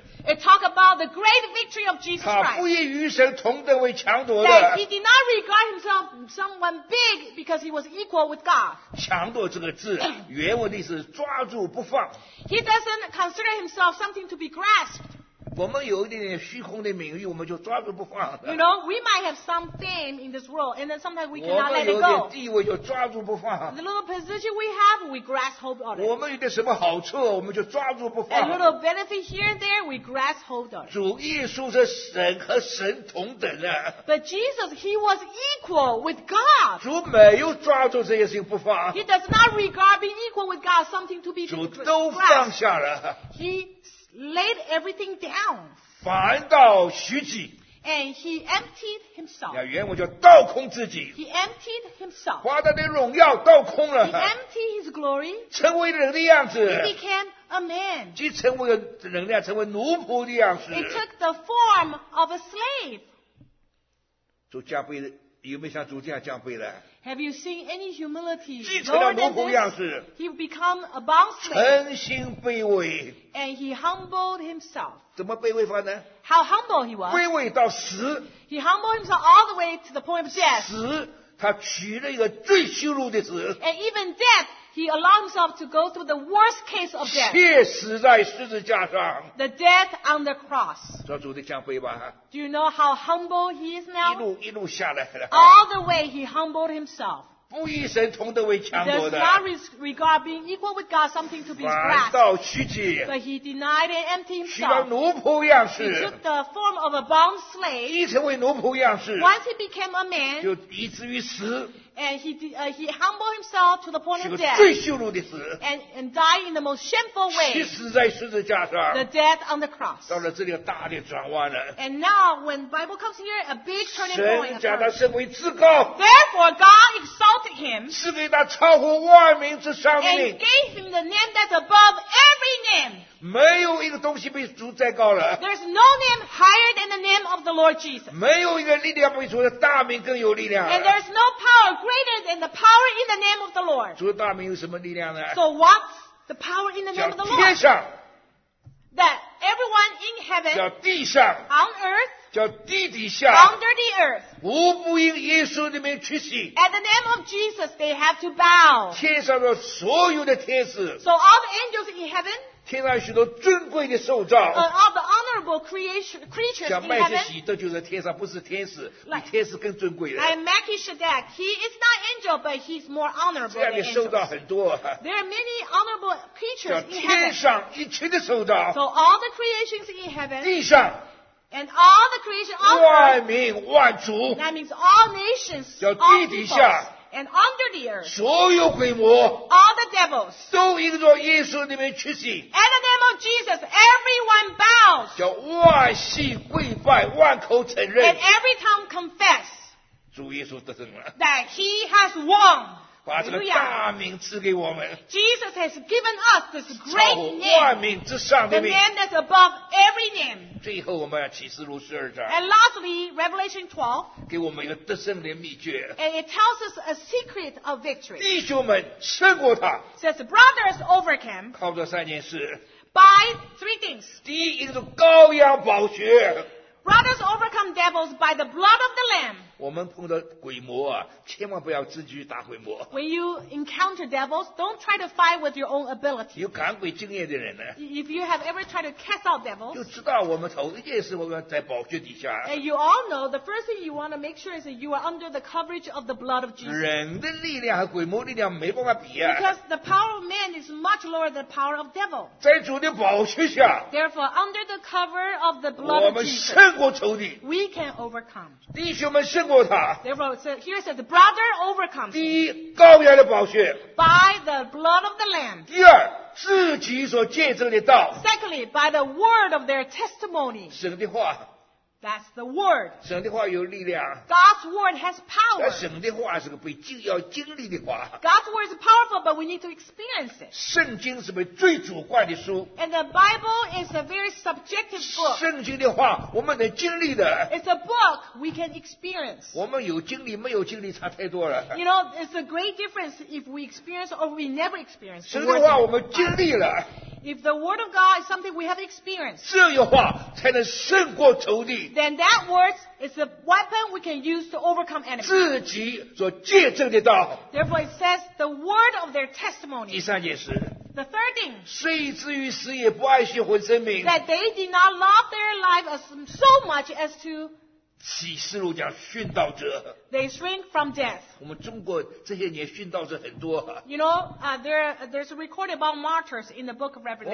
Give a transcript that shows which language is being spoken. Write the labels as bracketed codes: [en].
[en] It talk about the great victory of Jesus Christ. [zh] 他不以与神同等为强夺的。 [en] That he did not regard himself someone big because he was equal with God. [zh] 强夺这个字，原文的意思是抓住不放。 [en] He doesn't consider himself something to be grasped. [zh] 我们有一点点虚空的名誉，我们就抓住不放。 [en] You know, we might have some fame in this world, and then sometimes we cannot let it go. [zh] 我们有点地位就抓住不放。 [en] The little position we have, we grasp hold on it. [zh] 我们有点什么好处，我们就抓住不放。 [en] A little benefit here and there, we grasp hold on it. [zh] 主耶稣是神和神同等的。 [en] But Jesus, he was equal with God. [zh] 主没有抓住这些事情不放。 [en] He does not regard being equal with God something to be grasped. [zh] 主都放下了。 [en] He laid everything down. [zh] 反倒虚己。 [en] And he emptied himself. [zh] 原文叫倒空自己。 [en] He emptied himself. [zh] 把他的荣耀倒空了。 [en] He emptied his glory. [zh] 成为人的样子。 [en] He became a man. [zh] 即成为人的样子，成为奴仆的样子。 [en] He took the form of a slave. [zh] 主加倍的。有没有像主这样降卑的 [en] ？Have you seen any humility? [zh] 继承了奴仆样式 [en] ，He become a bondslave. [zh] 诚心卑微 [en] ，And he humbled himself. [zh] 怎么卑微法呢 [en] ？How humble he was. [zh] 卑微到死。 [en] He humbled himself all the way to the point of death. [zh] 死，他取了一个最羞辱的死。 [en] And even death, he allowed himself to go through the worst case of death. [zh] 切死在十字架上。 [en] The death on the cross. [zh] 做主的降卑吧。 [en] Do you know how humble he is now? [zh] 一路下来了。 [en] All the way he humbled himself. [zh] 不以神同等为强夺的。 [en] He does not regard being equal with God something to be grasped. [zh] 反倒屈己。 [en] But he denied and emptied himself. [zh] 取了奴仆样式。 [en] He took the form of a bond slave. [zh] 一成为奴仆样式。 [en] Once he became a man. [zh] 就以至于死。 [en] And he humbled himself to the point of death. [zh] 最羞辱的死。 [en] And died in the most shameful way. [zh] 屈死在十字架上。 [en] The death on the cross. [zh] 到了这里大的转弯了。 [en] And now when Bible comes here, a big turning point. [zh] 神将他升为至高。 [en] Therefore God exalted him. [zh] 赐给他超乎万民之上的名。 [en] And gave him the name that's above every name. [zh] 没有一个东西比主再高了。 [en] There's no name higher than the name of the Lord Jesus. [zh] 没有一个力量比主的大名更有力量。 [en] And there's no power greater than the power in the name of the Lord. [zh] 主的大名有什么力量呢 [en] ？So what's the power in the name of the Lord? [zh] 叫天上。 [en] That everyone in heaven. [zh] 叫地上。 [en] On earth. [zh] 叫地底下。 [en] Under the earth. [zh] 无不因耶稣的名屈膝。 [en] At the name of Jesus, they have to bow. [zh] 天上的所有的天使。 [en] So all the angels in heaven. [zh] 天上许多尊贵的受造 [en] of the honorable creatures, [zh] 像麦基洗德就在天上，不是天使，比天使更尊贵的。 [en] Like Melchizedek, he is not angel, but he's more honorable. [zh] 这样的受造很多。 [en] There are many honorable creatures in heaven. [zh] 天上一切的受造。 [en] So all the creations in heaven. [zh] 地上。 [en] And all the creation on earth. [zh] 万民万族。 [en] That means all nations. [zh] 叫地底下。 [en] And under the earth, [zh] 所有鬼魔 [en] all the devils, [zh] 都因着耶稣里面屈膝 [en] at the name of Jesus, everyone bows, [zh] 叫万膝跪拜，万口承认 [en] and every tongue confess, [zh] 主耶稣得胜了。 [en] That he has won. [zh] 把这个大名赐给我们。 [en] Jesus has given us this great name. [zh] 超过万名之上的名。 [en] The name that's above every name. [zh] 最后我们要启示录十二章。 [en] And lastly, Revelation 12. [zh] 给我们一个得胜的秘诀。 [en] And it tells us a secret of victory. [zh] 弟兄们胜过他。 [en] Says the brothers overcame. [zh] 靠这三件事。 [en] By three things. [zh] 第一个是羔羊宝血。 [en] Brothers overcome devils by the blood of the Lamb. [zh] 我们碰到鬼魔啊，千万不要自己打鬼魔。 [en] When you encounter devils, don't try to fight with your own ability. [zh] 有赶鬼经验的人呢 [en] ？If you have ever tried to cast out devils, [zh] 就知道我们头一件事我们在宝血底下。 [en] And you all know the first thing you want to make sure is that you are under the coverage of the blood of Jesus. [zh] 人的力量和鬼魔力量没办法比啊。 [en] Because the power of man is much lower than the power of devil. [zh] 在主的宝血下。 [en] Therefore, under the cover of the blood of Jesus. [zh] 我们胜过仇敌。 [en] We can overcome. [zh] 弟兄们胜。 [en] Therefore, here it says, the brother overcomes. [zh] 第一，羔羊的宝血。 [en] By the blood of the lamb. [zh] 第二，自己所见证的道。 [en] Secondly, by the word of their testimony. [zh] 神的话。 [en] That's the word. [zh] 神的话有力量。 [en] God's word has power. [zh] 神的话是个被经要经历的话。 [en] God's word is powerful, but we need to experience it. [zh] 圣经是被最主观的书。 [en] And the Bible is a very subjective book. [zh] 圣经的话我们能经历的。 [en] It's a book we can experience. [zh] 我们有经历没有经历差太多了。 [en] You know, it's a great difference if we experience or we never experience. [zh] 神的话我们经历了。 [en] If the word of God is something we have experienced, [zh] 这样话才能胜过仇敌。 [en] Then that word is a weapon we can use to overcome enemies. [zh] 自己所见证的道。 [en] Therefore, it says the word of their testimony. [zh] 第三件事。 [en] The third thing. [zh] 虽至于死也不爱惜魂生命。 [en] That they did not love their life as so much as to. [zh] 启示录讲殉道者。 [en] They shrink from death. [zh] 我们中国这些年殉道者很多。 [en] You know, there's a record about martyrs in the book of Revelation.